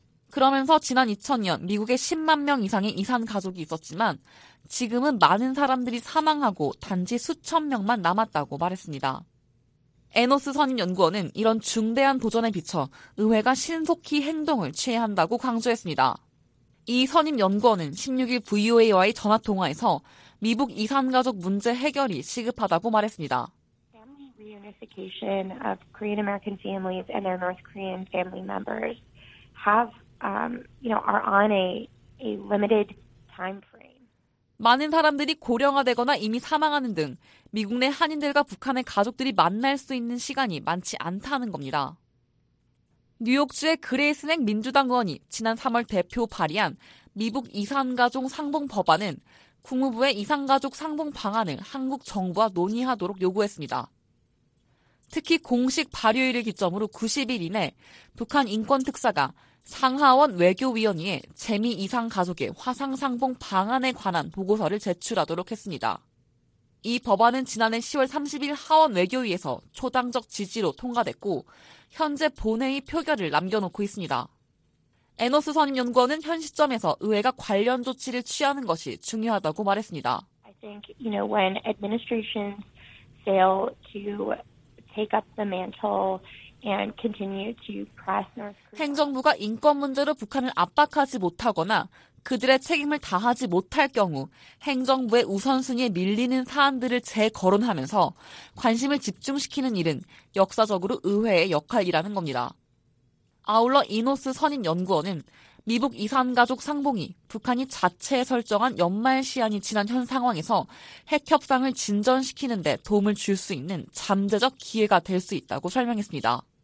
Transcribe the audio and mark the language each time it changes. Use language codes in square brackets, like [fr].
[ko] 그러면서 지난 2000년 미국에 10만 명 이상의 이산가족이 있었지만 지금은 많은 사람들이 사망하고 단지 수천 명만 남았다고 말했습니다. 에너스 선임 연구원은 이런 중대한 도전에 비춰 의회가 신속히 행동을 취해야 한다고 강조했습니다. 이 선임 연구원은 16일 VOA와의 전화통화에서 미국 이산가족 문제 해결이 시급하다고 말했습니다. [en] Family reunification of Korean American families and their North Korean family members have, you know, are on a limited time frame. [ko] 많은 사람들이 고령화되거나 이미 사망하는 등 미국 내 한인들과 북한의 가족들이 만날 수 있는 시간이 많지 않다는 겁니다. 뉴욕주의 그레이슨 행 민주당 의원이 지난 3월 대표 발의한 미국 이산가족 상봉 법안은 국무부의 이산가족 상봉 방안을 한국 정부와 논의하도록 요구했습니다. 특히 공식 발효일을 기점으로 90일 이내 북한 인권특사가 상하원 외교위원회에 재미 이산가족의 화상 상봉 방안에 관한 보고서를 제출하도록 했습니다. 이 법안은 지난해 10월 30일 하원 외교위에서 초당적 지지로 통과됐고 현재 본회의 표결을 남겨놓고 있습니다. 에너스 선임 연구원은 현 시점에서 의회가 관련 조치를 취하는 것이 중요하다고 말했습니다. [en] I think, you know, when administrations fail to take up the mantle and continue to press North Korea. [ko] 행정부가 인권 문제로 북한을 압박하지 못하거나 그들의 책임을 다하지 못할 경우 행정부의 우선순위에 밀리는 사안들을 재거론하면서 관심을 집중시키는 일은 역사적으로 의회의 역할이라는 겁니다. 아울러 이노스 선임 연구원은 미국 이산가족 상봉이 북한이 자체 설정한 연말 시한이 지난 현 상황에서 핵 협상을 진전시키는 데 도움을 줄 수 있는 잠재적 기회가 될 수 있다고 설명했습니다.